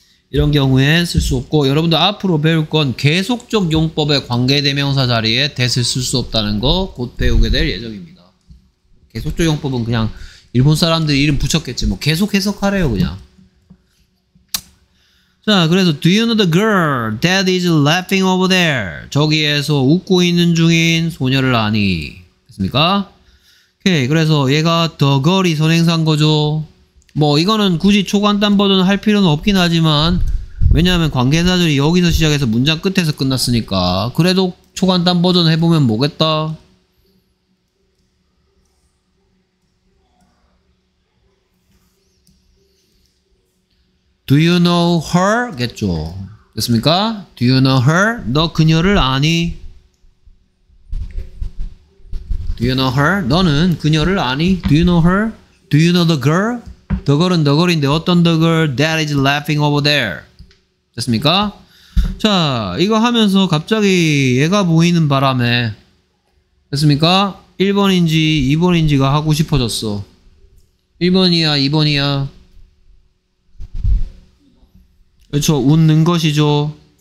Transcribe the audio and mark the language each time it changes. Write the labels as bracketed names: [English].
[Korean] 이런 경우에 쓸 수 없고 여러분들 앞으로 배울 건 계속적 용법의 관계대명사 자리에 that을 쓸 수 없다는 거 곧 배우게 될 예정입니다. 계속적 용법은 그냥 일본 사람들이 이름 붙였겠지 뭐 계속 해석하래요 그냥. 자, 그래서 [English] Do you know the girl that is laughing over there? [Korean] 저기에서 웃고 있는 중인 소녀를 아니? 됐습니까? 오케이, 그래서 얘가 the girl이 선행사인 거죠. 뭐 이거는 굳이 초간단 버전 할 필요는 없긴 하지만 왜냐하면 관계사들이 여기서 시작해서 문장 끝에서 끝났으니까 그래도 초간단 버전 해보면 뭐겠다? [English] 'Do you know her?' [Korean] 겠죠. 됐습니까? [English] 'Do you know her?' [Korean] 너 그녀를 아니? [English] 'Do you know her?' [Korean] 너는 그녀를 아니? [English] 'Do you know her?' 'Do you know the girl?' 'The girl은 the girl [Korean] 인데 어떤 [English] the girl that is laughing over there?' [Korean] 됐습니까? 자, 이거 하면서 갑자기 얘가 보이는 바람에 됐습니까? 1번인지 2번인지가 하고 싶어졌어. 1번이야 2번이야 그렇죠. 웃는 것이죠.